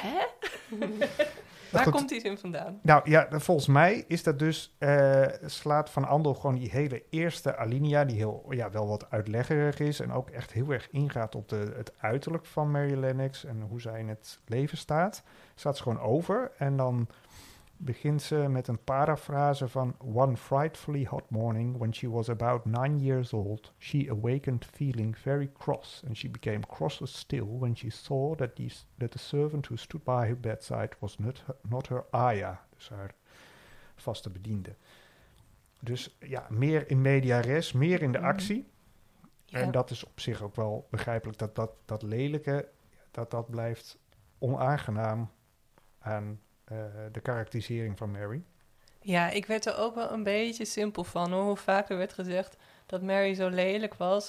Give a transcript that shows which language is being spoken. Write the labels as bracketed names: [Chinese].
[Dutch] Hè? Waar komt die zin vandaan? Nou ja, volgens mij is dat dus, slaat van Andel gewoon die hele eerste alinea, die heel, ja, wel wat uitleggerig is en ook echt heel erg ingaat op het uiterlijk van Mary Lennox en hoe zij in het leven staat. Staat ze gewoon over en dan begint ze met een parafrase van [English] One frightfully hot morning when she was about 9 years old, she awakened feeling very cross and she became crosser still when she saw that the servant who stood by her bedside was not her Aya, [Dutch] dus haar vaste bediende. Dus ja, meer in media res, meer in de actie. Mm. En dat is op zich ook wel begrijpelijk dat lelijke, dat blijft onaangenaam aan de karakterisering van Mary. Ja, ik werd er ook wel een beetje simpel van, hoor. Hoe vaker werd gezegd dat Mary zo lelijk was.